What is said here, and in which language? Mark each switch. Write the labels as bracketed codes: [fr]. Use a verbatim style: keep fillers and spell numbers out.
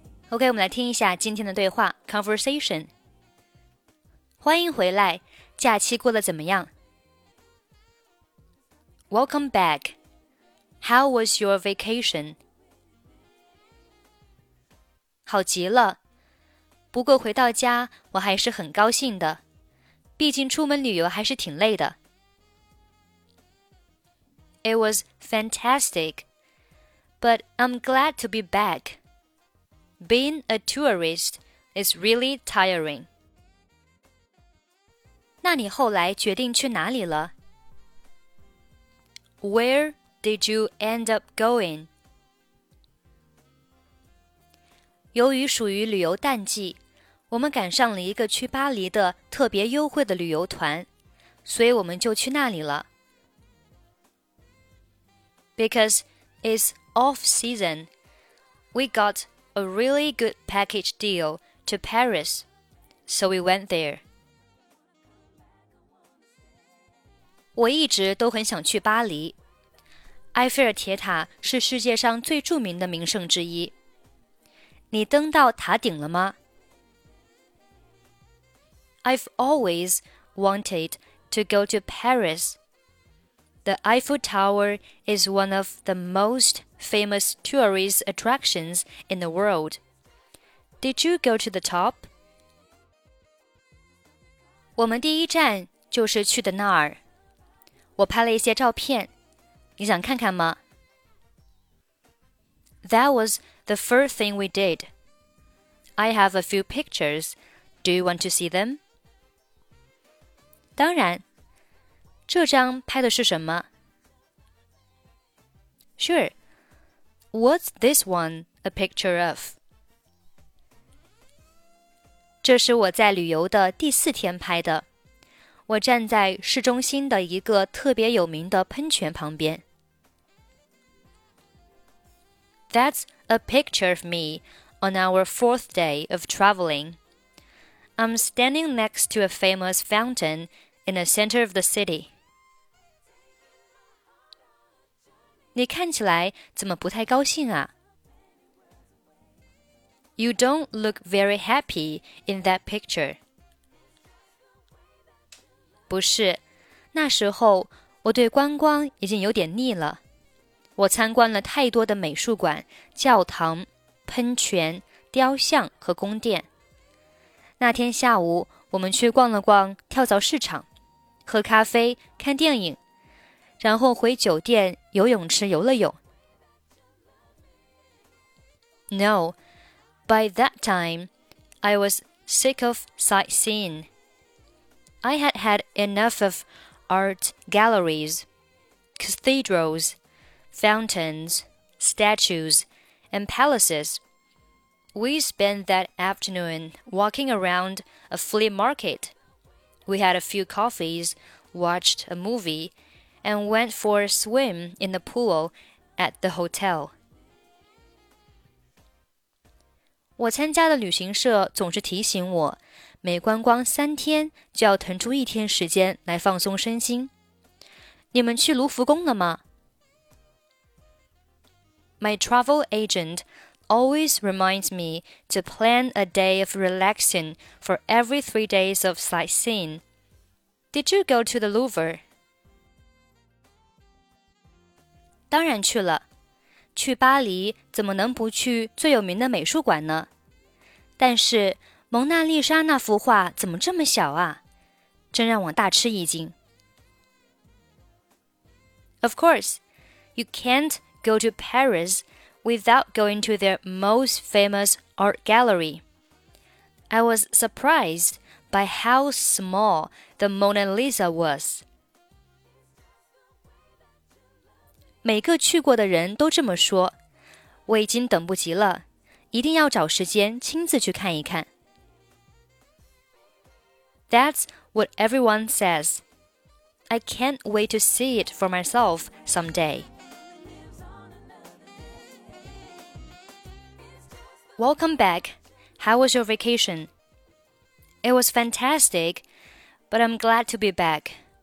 [zh] OK, 我们来听一下今天的对话 Conversation 欢迎回来假期过得怎么样 [en] Welcome back How was your vacation? [zh] 好极了不过回到家我还是很高兴的毕竟出门旅游还是挺累的。 [en] It was fantastic, but I'm glad to be back. Being a tourist is really tiring. [zh] 那你后来决定去哪里了？ [en] Where did you end up going? [zh] 由于属于旅游淡季我们赶上了一个去巴黎的特别优惠的旅游团，所以我们就去那里了。 [en] Because it's off season, we got a really good package deal to Paris, so we went there. [zh] 我一直都很想去巴黎。埃菲尔铁塔是世界上最著名的名胜之一。你登到塔顶了吗？ [en] I've always wanted to go to Paris. The Eiffel Tower is one of the most famous tourist attractions in the world. Did you go to the top? [zh] 我们第一站就是去的那儿。我拍了一些照片，你想看看吗？ [en] That was the first thing we did. I have a few pictures. Do you want to see them? [zh] 当然，这张拍的是什么？ [en] Sure. What's this one a picture of? [zh] 这是我在旅游的第四天拍的。我站在市中心的一个特别有名的喷泉旁边。 [en] That's a picture of me on our fourth day of traveling. I'm standing next to a famous fountain. In the center of the city. [zh] 你看起来怎么不太高兴啊？ [en] You don't look very happy in that picture. [zh] 不是，那时候我对观光已经有点腻了。我参观了太多的美术馆、教堂、喷泉、雕像和宫殿。那天下午，我们去逛了逛跳蚤市场。喝咖啡看电影然后回酒店游泳池游了泳 [en] No, by that time, I was sick of sightseeing. I had had enough of art galleries, cathedrals, fountains, statues, and palaces. We spent that afternoon walking around a flea market. We had a few coffees, watched a movie, and went for a swim in the pool at the hotel. [zh] 我参加的旅行社总是提醒我，每观光三天就要腾出一天时间来放松身心。你们去卢浮宫了吗？ [en] My travel agent always reminds me to plan a day of relaxing for every three days of sightseeing. Did you go to the Louvre? [zh] 当然去了。去巴黎怎么能不去最有名的美术馆呢？但是蒙娜丽莎那幅画怎么这么小啊？真让我大吃一惊。 [en] Of course, you can't go to Paris without going to their most famous art gallery. I was surprised by how small the Mona Lisa was. [zh] 每个去过的人都这么说，我已经等不及了，一定要找时间亲自去看一看。 [en] That's what everyone says. I can't wait to see it for myself someday. Welcome back. How was your vacation? It was fantastic, but I'm glad to be back.